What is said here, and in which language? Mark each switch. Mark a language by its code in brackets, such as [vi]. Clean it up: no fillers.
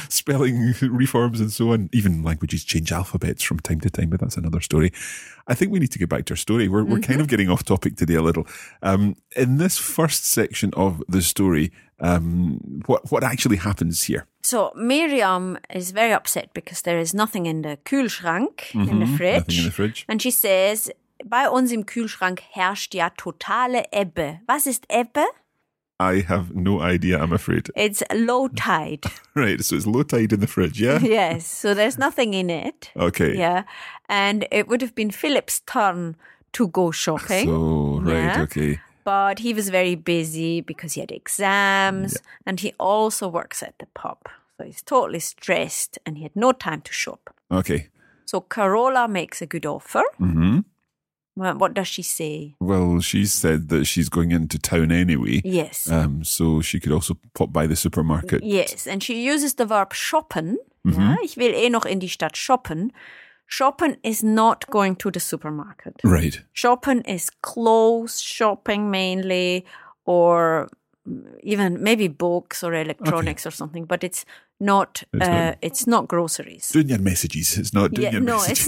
[en] Spelling reforms and so on. Even languages change alphabets from time to time, but that's another story. I think we need to get back to our story. We're kind of getting off topic today a little. In this first section of the story, what actually happens here? So Miriam is very upset because there is nothing in the Kühlschrank, in the fridge. Nothing in the fridge. And she says, [de] bei uns im Kühlschrank herrscht ja totale Ebbe. Was ist Ebbe? [en] I have no idea, I'm afraid. It's low tide. Right, so it's low tide in the fridge, yeah? Yes, so there's nothing in it. Okay. Yeah, and it would have been Philip's turn to go shopping. So, right, yeah? Okay. But he was very busy because he had exams, yeah. And he also works at the pub. So he's totally stressed and he had no time to shop. Okay. So Carola makes a good offer. Mm-hmm. What does she say? Well, she said that she's going into town anyway. Yes. So she could also pop by the supermarket. Yes, and she uses the verb shoppen. Mm-hmm. [de] Yeah, ich will eh noch in die Stadt shoppen. [en] Shoppen is not going to the supermarket. Right. Shoppen is clothes shopping mainly, or even maybe books or electronics, okay, or something, but it's not, it's not groceries. Doing your messages. It's not doing your messages.